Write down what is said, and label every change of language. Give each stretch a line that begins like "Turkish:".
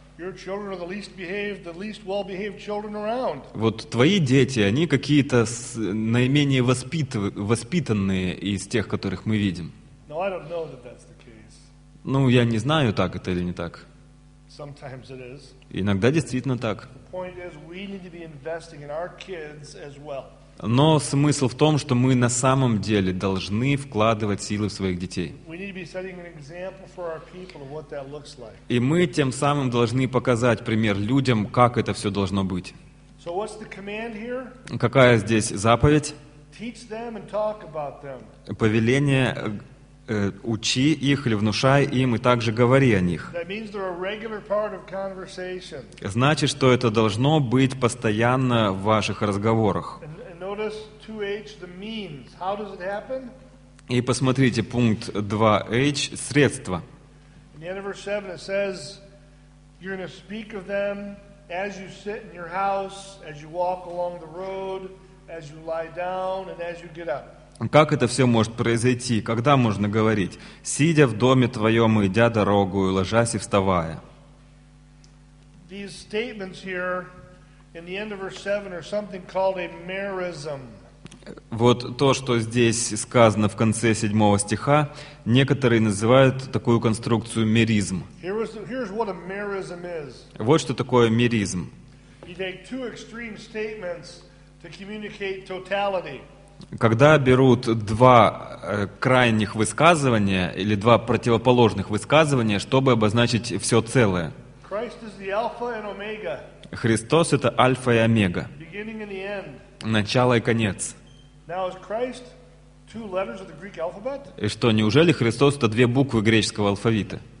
English: Your children are the least behaved, the least well-behaved children around.
Russian: Вот твои дети, они какие-то наименее воспитанные из тех, которых мы видим.
English: No, I don't know that that's the case.
Russian: Ну, я не знаю, так это или не так.
English: Sometimes it is.
Russian: Иногда действительно так.
English: The point is, we need to be investing in our kids as well.
Russian: Но смысл в том, что мы на самом деле должны вкладывать силы в своих детей.
English: We need to be setting an example for our people of what that looks like.
Russian: И мы тем самым должны показать пример людям, как это все должно быть.
English: So what's the command here?
Russian: Какая здесь заповедь?
English: Teach them and talk about them.
Russian: Повеление учи их или внушай им и также говори о них.
English: That means they're a regular part of conversation.
Russian: Значит, что это должно быть постоянно в ваших разговорах.
English: Notice 2H, the means. How does it happen?
Russian: И посмотрите, пункт 2H, средства.
English: In the end of verse 7, it says, you're going to speak of them as you sit in your house, as you walk along the road, as you lie down, and as you get up.
Russian: Как это все может произойти? Когда можно говорить? Сидя в доме твоем, идя дорогу, и ложась, и вставая.
English: These statements here, in the end of verse 7, or something called a merism.
Russian: Вот то, что здесь сказано в конце седьмого стиха, некоторые называют такую конструкцию меризм.
English: Here's what a merism is.
Russian: Вот что такое меризм.
English: You take two extreme statements to communicate totality.
Russian: Когда берут два крайних высказывания или два противоположных высказывания, чтобы обозначить все целое.
English: Christ is the Alpha and Omega.
Russian: Христос — это Альфа и Омега, начало и конец. И что, неужели Христос — это две буквы греческого алфавита?